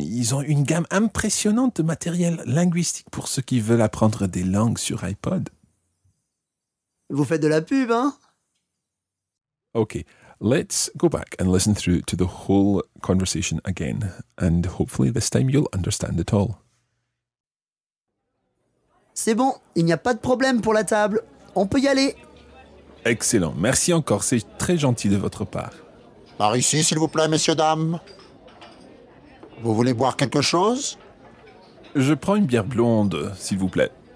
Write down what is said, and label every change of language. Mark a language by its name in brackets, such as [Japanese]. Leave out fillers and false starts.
[French] Ils ont une gamme impressionnante de matériel linguistique pour ceux qui veulent apprendre des langues sur iPod. Vous faites de la pub, hein? [English] Okay, let's go back and listen through to the whole conversation again. And hopefully this time you'll understand it all. [French] C'est bon, il n'y a pas de problème pour la table. On peut y aller. Excellent, merci encore, c'est très gentil de votre part. Par ici, s'il vous plaît, messieurs, dames. Vous voulez boire quelque chose ? Je prends une bière blonde, s'il vous plaît.